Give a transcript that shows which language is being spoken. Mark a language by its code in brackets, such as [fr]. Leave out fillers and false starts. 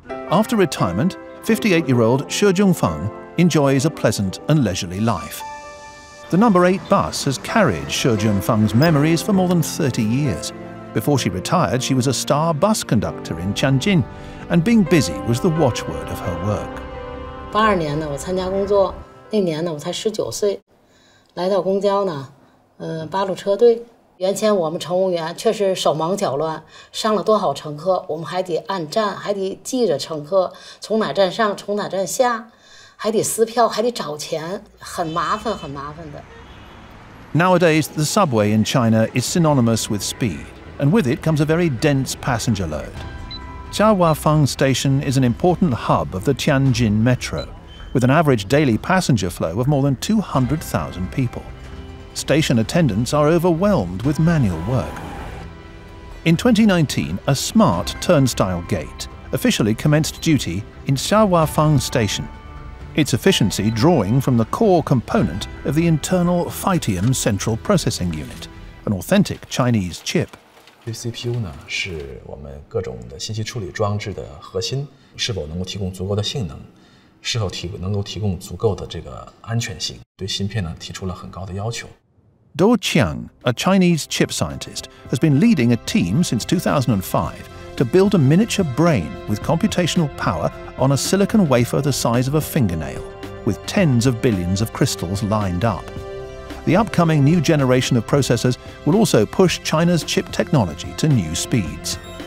[en] After retirement, 58-year-old Xu Zhongfeng enjoys a pleasant and leisurely life. The number 8 bus has carried Xu Zhongfeng's memories for more than 30 years. Before she retired, she was a star bus conductor in Tianjin, and being busy was the watchword of her work. [zh] 82年呢，我参加工作，那年呢，我才19岁，来到公交呢，八路车队。原先我们乘务员确实手忙脚乱，上了多少乘客，我们还得按站，还得记着乘客从哪站上，从哪站下。还得撕票，还得找钱，很麻烦，很麻烦的。 [en] Nowadays, the subway in China is synonymous with speed, and with it comes a very dense passenger load. Xiaohuafeng Station is an important hub of the Tianjin Metro, with an average daily passenger flow of more than 200,000 people. Station attendants are overwhelmed with manual work. In 2019, a smart turnstile gate officially commenced duty in Xiaohuafeng Station. Its efficiency drawing from the core component of the internal Phytium central processing unit, an authentic Chinese chip. This CPU [zh] 呢是我们各种的信息处理装置的核心，是否能够提供足够的性能，是否能够提供足够的这个安全性，对芯片呢提出了很高的要求。 [en] Do Qiang, a Chinese chip scientist, has been leading a team since 2005 to build a miniature brain with computational power on a silicon wafer the size of a fingernail, with tens of billions of crystals lined up. The upcoming new generation of processors will also push China's chip technology to new speeds.